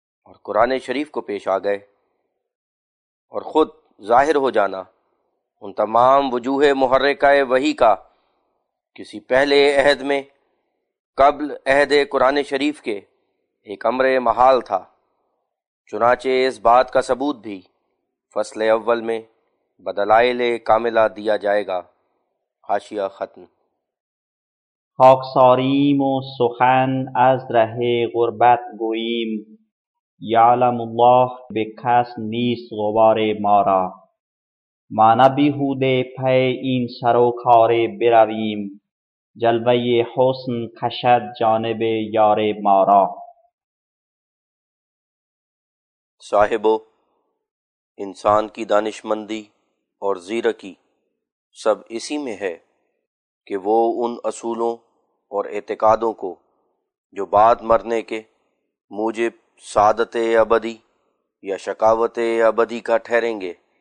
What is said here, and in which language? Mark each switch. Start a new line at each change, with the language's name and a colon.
Urdu: اور قرآن شریف کو پیش آ گئے، اور خود ظاہر ہو جانا ان تمام وجوہ محرکہ وحی کا کسی پہلے عہد میں قبل عہد قرآن شریف کے ایک امر محال تھا۔ چنانچہ اس بات کا ثبوت بھی فصل اول میں بدلائل کاملہ دیا جائے گا۔ حاشیہ ختم۔
Persian: خاکساریم و سخن از ره غربت گوییم، یعلم الله به کس نیست غبار ما را، ما نه بیهوده پی این سر و کار برویم، جلوه حسن کشد جانب یار ما را۔
Urdu: صاحبو، انسان کی دانشمندی اور زیرکی سب اسی میں ہے کہ وہ ان اصولوں اور اعتقادوں کو جو بعد مرنے کے موجب سعادت ابدی یا شقاوت ابدی کا ٹھہریں گے،